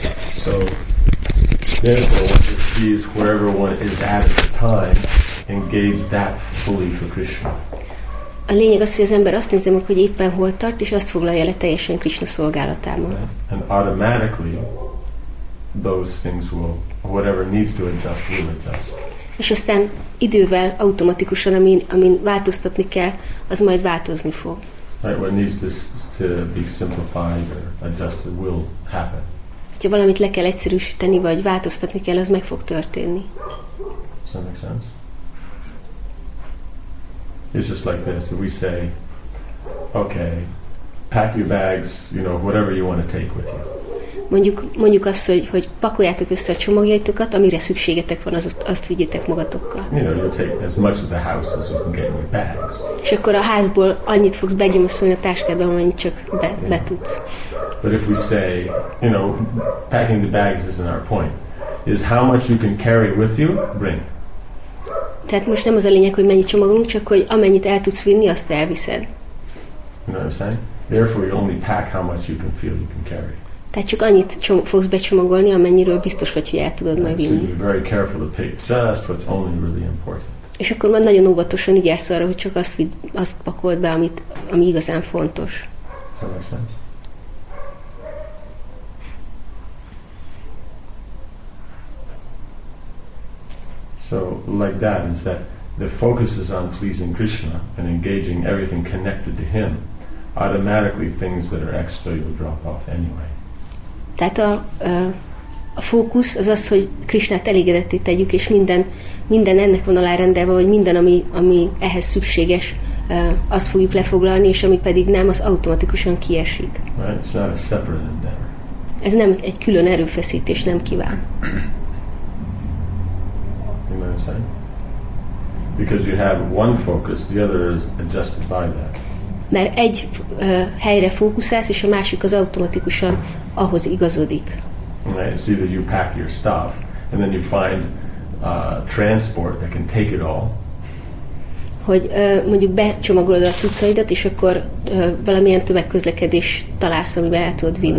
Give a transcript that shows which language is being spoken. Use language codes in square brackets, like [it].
[en] So therefore, one just sees wherever one is at the time and gives that fully for Krishna. [hu] A lényeg az, hogy az ember azt nézi meg, hogy éppen hol tart, és azt foglalja le teljesen Krishna szolgálatában. [en] And automatically, those things will, whatever needs to adjust, will adjust. [hu] És aztán idővel, automatikusan, amin változtatni kell, az majd változni fog. [en] Right, what needs to be simplified or adjusted will happen. [hu] Ha valamit le kell egyszerűsíteni, vagy változtatni kell, az meg fog történni. [en] Does that make sense? It's just like this. We say, okay, pack your bags, you know, whatever you want to take with you. [hu] Mondjuk azt, hogy pakoljátok össze a csomagjaitokat, amire szükségetek van, azt vigyétek magatokkal. [en] You know, you'll take as much of the house as you can get in your bags. [hu] És akkor a házból annyit fogsz begyomoszolni a táskádba, amennyit csak be tudsz. [en] But if we say, you know, packing the bags isn't our point. It's how much you can carry with you, bring. [hu] Tehát most nem az a lényeg, hogy mennyit csomagolunk, csak hogy amennyit el tudsz vinni, azt elviszed. [en] You know what I'm saying? Therefore you only pack how much you can feel you can carry. [hu] Tehát csak annyit fogsz becsomagolni, amennyiről biztos vagy, hogy el tudod majd vinni. [en] So you're very careful to pick just what's only really important. [hu] És akkor már nagyon óvatosan ügyelsz arra, hogy csak azt pakold be, ami igazán fontos. [en] So makes sense? So like that is that the focus is on pleasing Krishna and engaging everything connected to him. Automatically things that are extra will drop off anyway. [hu] Tehát a fókusz az az, hogy Krisnát elégedetté tegyük, és minden ennek van alárendelve, vagy minden, ami ehhez szükséges, azt fogjuk lefoglalni, és ami pedig nem, az automatikusan kiesik. [en] Right? It's not a separate endeavor. [hu] Ez nem egy külön erőfeszítés, nem kíván. [en] You know what I'm saying? Because you have one focus, the other is adjusted by that. [hu] Mert egy helyre fókuszálsz, és a másik az automatikusan ahhoz igazodik. [en] Right, see that you pack your stuff, and then you find transport that can take it all. [hu] Hogy mondjuk becsomagolod a cuccaidat, és akkor valamilyen tömegközlekedés találsz, amivel el tudod vinni.